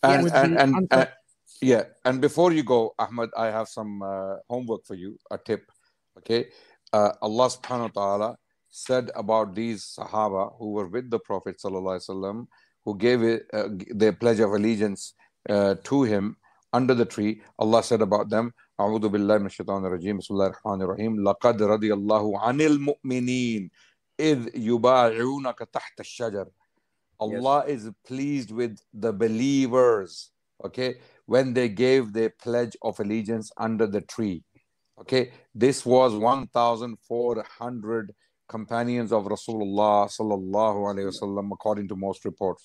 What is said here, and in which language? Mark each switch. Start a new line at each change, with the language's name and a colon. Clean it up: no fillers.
English: And before you go, Ahmed, I have some homework for you, a tip. Okay. Allah subhanahu wa ta'ala said about these Sahaba who were with the Prophet sallallahu alaihi wasallam, who gave their pledge of allegiance to him. Under the tree, Allah said about them,
Arabic: أعوذ بالله من الشيطان الرجيم بسم الله الرحمن الرحيم لقد رضي الله عن المؤمنين إذ يبايعونك تحت الشجر.
English: Allah is pleased with the believers, okay, when they gave their pledge of allegiance under the tree. Okay, this was 1,400 companions of Rasulullah sallallahu alayhi wasallam, according to most reports.